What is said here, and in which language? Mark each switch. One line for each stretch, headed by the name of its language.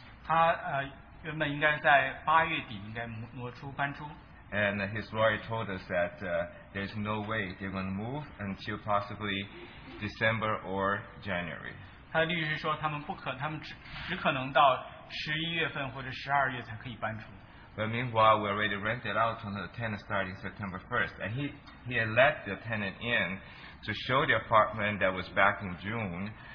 Chinese: 他, 原本应该在8月底应该挪出,
English: and his lawyer told us that there's no way they're going to move until possibly December or January.
Chinese: 他的律师说他们不可, 他们只可能到 11月份或者12月才可以搬出。
English: But meanwhile, we already rented out to another tenant starting September 1st. And he had let the tenant in to show the apartment that was back in June.